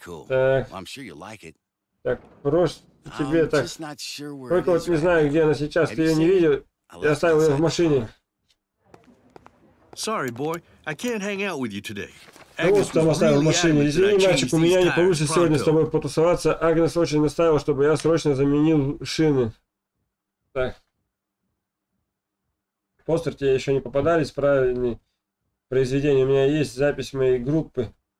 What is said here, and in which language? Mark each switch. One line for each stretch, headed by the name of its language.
Russian: Так. Так, просто тебе так. Только вот не знаю, где она сейчас. Ты ее не видел? Я оставил ее в машине.
English: Sorry, boy, I can't hang out with you today.
Russian: Агнес там оставил в машине. Извини, мальчик, у меня не получится сегодня с тобой потусоваться. Агнес очень настаивал, чтобы я срочно заменил шины. Так. Постер тебе еще не попадались, правильные произведения. У меня есть запись моей группы.